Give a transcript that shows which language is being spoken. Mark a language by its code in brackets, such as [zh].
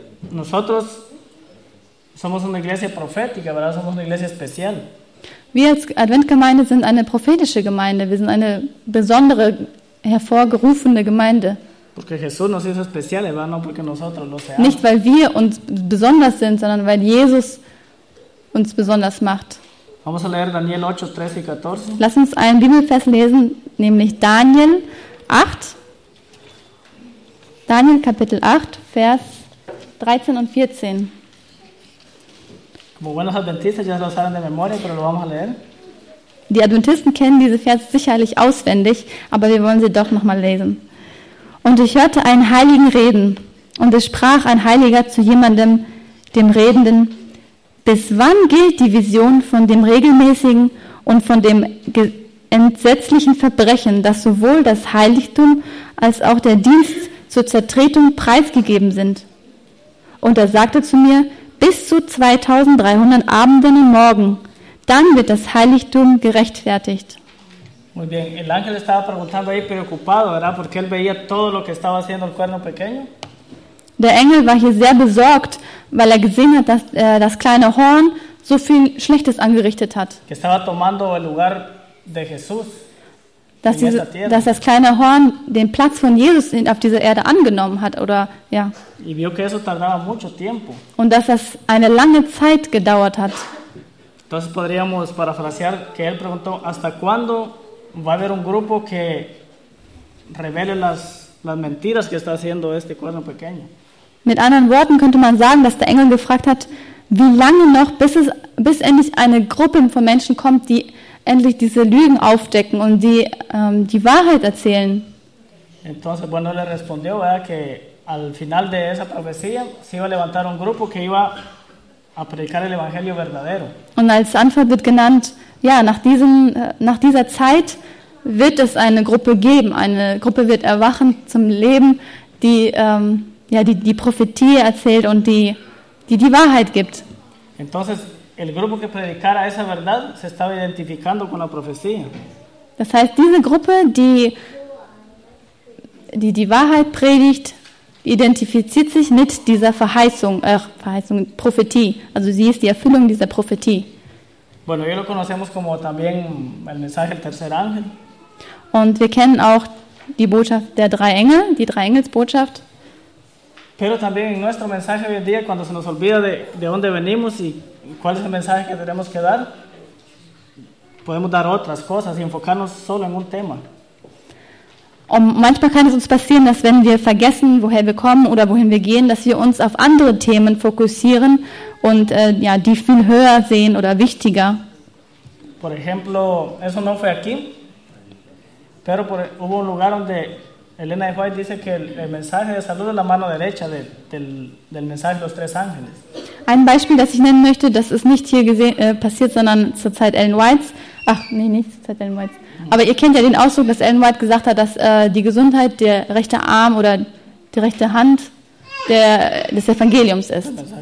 [es] Nosotros somos una iglesia profética, ¿verdad? Somos una iglesia especial. [de] Wir als Adventgemeinde sind eine prophetische Gemeinde. Wir sind eine besondere, hervorgerufene Gemeinde. [es] Porque Jesús nos hizo especiales, ¿verdad? No porque nosotros lo seamos. [de] Nicht, weil wir uns besonders sind, sondern weil Jesus uns besonders macht. [es] Vamos a leer Daniel 8, 13 y 14. [de] Lass uns einen Bibelvers lesen, nämlich Daniel 8. Daniel Kapitel 8, Vers 13 und 14. [es] Como buenos adventistas ya lo saben de memoria, pero lo vamos a leer. [de] Die Adventisten kennen diese Verse sicherlich auswendig, aber wir wollen sie doch nochmal lesen. Und ich hörte einen Heiligen reden, und es sprach ein Heiliger zu jemandem, dem Redenden: Bis wann gilt die Vision von dem regelmäßigen und von dem entsetzlichen Verbrechen, dass sowohl das Heiligtum als auch der Dienst zur Zertretung preisgegeben sind? Und er sagte zu mir: Bis zu 2300 Abenden und Morgen, dann wird das Heiligtum gerechtfertigt. [es] Muy bien, el ángel estaba preguntando ahí preocupado, ¿verdad? Porque él veía todo lo que estaba haciendo el cuerno pequeño. [de] Der Engel war hier sehr besorgt, weil er gesehen hat, dass das kleine Horn so viel Schlechtes angerichtet hat. [es] Que estaba tomando el lugar de Jesús. [de] Dass das kleine Horn den Platz von Jesus auf dieser Erde angenommen hat, oder ja. [es] Y vio que eso tardaba mucho tiempo. [de] Und dass das eine lange Zeit gedauert hat. [es] Entonces podríamos parafrasear que él preguntó: ¿Hasta cuándo va a haber un grupo que revele las mentiras que está haciendo este cuerno pequeño? [de] Mit anderen Worten könnte man sagen, dass der Engel gefragt hat, wie lange noch, bis endlich eine Gruppe von Menschen kommt, die endlich diese Lügen aufdecken und die die Wahrheit erzählen. [es] Entonces, bueno, le respondió, ¿verdad? Que al final de esa profecía se iba a levantar un grupo que iba a predicar el evangelio verdadero. [de] Und als Antwort wird genannt, ja, nach dieser Zeit wird es eine Gruppe geben, eine Gruppe wird erwachen zum Leben, die ja, die Prophetie erzählt und die Wahrheit gibt. [es] Entonces, el grupo que predicara esa verdad se estaba identificando con la profecía. [de] Das heißt, diese Gruppe, die Wahrheit predigt, identifiziert sich mit dieser Verheißung, Prophetie. Also sie ist die Erfüllung dieser Prophetie. [es] Bueno, yo lo conocemos como también el mensaje del tercer ángel. [de] Und wir kennen auch die Botschaft der drei Engel, die Dreiengelsbotschaft. [es] Pero también en nuestro mensaje hoy en día, cuando se nos olvida de dónde venimos y cuál es el mensaje que tenemos que dar, podemos dar otras cosas y enfocarnos solo en un tema. [de] Und manchmal kann es uns passieren, dass wenn wir vergessen, woher wir kommen oder wohin wir gehen, dass wir uns auf andere Themen fokussieren und ja, die viel höher sehen oder wichtiger. [es] Por ejemplo, eso no fue aquí, pero hubo un lugar donde Elena de White dice que el mensaje de salud es la mano derecha del mensaje de los tres ángeles. [de] Ein Beispiel, das ich nennen möchte, das ist nicht hier passiert, sondern zur Zeit Ellen Whites. Ach, nee, nicht zur Zeit Ellen Whites. Aber ihr kennt ja den Ausdruck, dass Ellen White gesagt hat, dass die Gesundheit der rechte Arm oder die rechte Hand des Evangeliums ist.